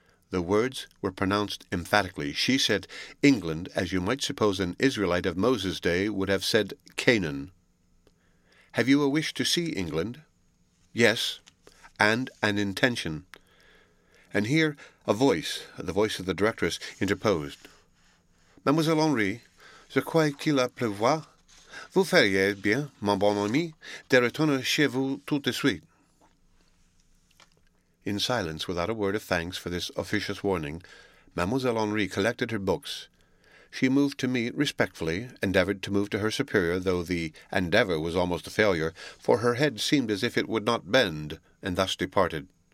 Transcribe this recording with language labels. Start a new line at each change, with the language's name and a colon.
English: The words were pronounced emphatically. She said England, as you might suppose an Israelite of Moses' day would have said Canaan. Have you a wish to see England? Yes, and an intention. And here a voice, the voice of the directress, interposed.
French: Mademoiselle Henri, je crois qu'il pleuvoir. Vous feriez bien, mon bon ami, de retourner chez vous tout de suite.
English: In silence, without a word of thanks for this officious warning, Mademoiselle Henri collected her books. She moved to me respectfully, endeavoured to move to her superior, though the endeavour was almost a failure, for her head seemed as if it would not bend, and thus departed.